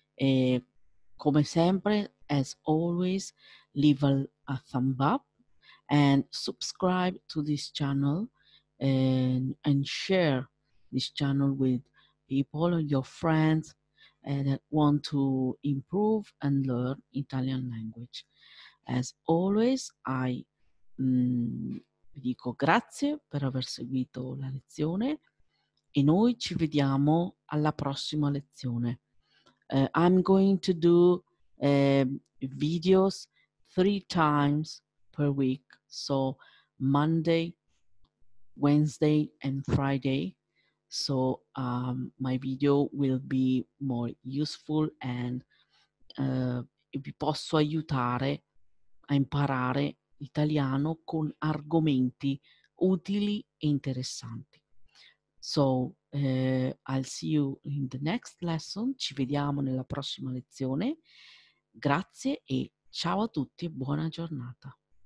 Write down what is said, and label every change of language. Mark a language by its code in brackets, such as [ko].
[it] Come sempre, [en] as always, leave a thumb up and subscribe to this channel, and share this channel with people or your friends that want to improve and learn Italian language. As always, I [it] vi dico grazie per aver seguito la lezione, e noi ci vediamo alla prossima lezione. [en] I'm going to do videos 3 times per week, so Monday, Wednesday and Friday. So my video will be more useful, and [it] vi posso aiutare a imparare italiano con argomenti utili e interessanti. [en] So I'll see you in the next lesson. [it] Ci vediamo nella prossima lezione. Grazie e ciao a tutti e buona giornata.